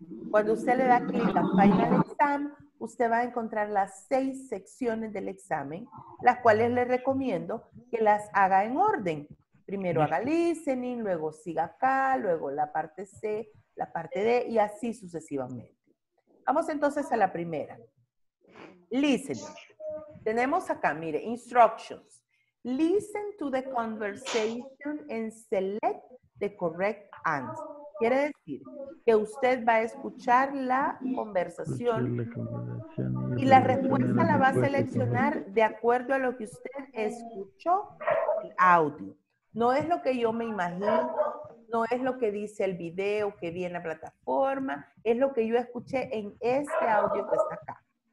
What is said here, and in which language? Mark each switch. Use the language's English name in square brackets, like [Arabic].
[Spanish] Cuando usted le da clic a Final Exam, usted va a encontrar las 6 secciones del examen, las cuales le recomiendo que las haga en orden. Primero haga listening, luego siga acá, luego la parte C, la parte D y así sucesivamente. Vamos entonces a la primera. [English] Listen. [Spanish] Tenemos acá, mire, instructions. [English] Listen to the conversation and select the correct answer. [Spanish] Quiere decir que usted va a escuchar la conversación y la respuesta la va a seleccionar de acuerdo a lo que usted escuchó el audio. No es lo que yo me imagino, no es lo que dice el video que vi en la plataforma, es lo que yo escuché en este audio que está acá.